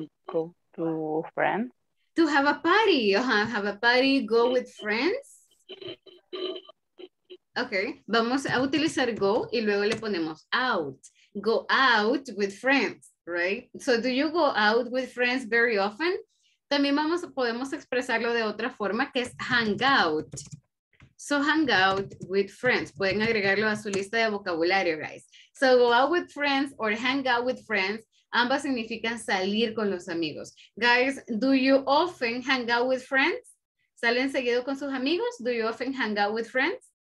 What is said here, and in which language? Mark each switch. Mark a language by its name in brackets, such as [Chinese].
[English] Go to friends. To have a party. Uh-huh. Have a party, go with friends. [Spanish] Okay, vamos a utilizar go y luego le ponemos out. [English] Go out with friends, right? So do you go out with friends very often? [Spanish] También vamos, podemos expresarlo de otra forma que es hang out. [English] So hang out with friends. [Spanish] Pueden agregarlo a su lista de vocabulario, guys. [English] So go out with friends or hang out with friends. [Spanish] Ambas significan salir con los amigos. [English] Guys, do you often hang out with friends? [Spanish] ¿Salen seguido con sus amigos? [English] Do you often hang out with friends?